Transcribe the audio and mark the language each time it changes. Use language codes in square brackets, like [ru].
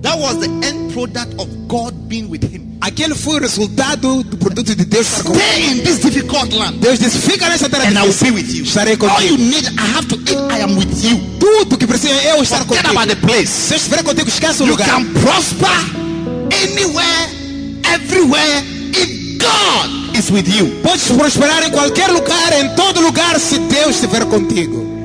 [en] That was the end product of God being with him. [pt] Aquele foi o resultado do produto de Deus. [en] Stay in this difficult land. [pt] Deus disse, fica nessa terra. [en] And I will be with you. [pt] Estarei contigo. [en] All you need, I have to eat. I am with you. [pt] Tudo que precisa, eu estar contigo. [en] Forget about the place. [pt] Se eu estiver contigo, esquece o lugar. [en] You can prosper anywhere, everywhere if God is with you. [pt] Podes prosperar em qualquer lugar, em todo lugar, se Deus estiver contigo.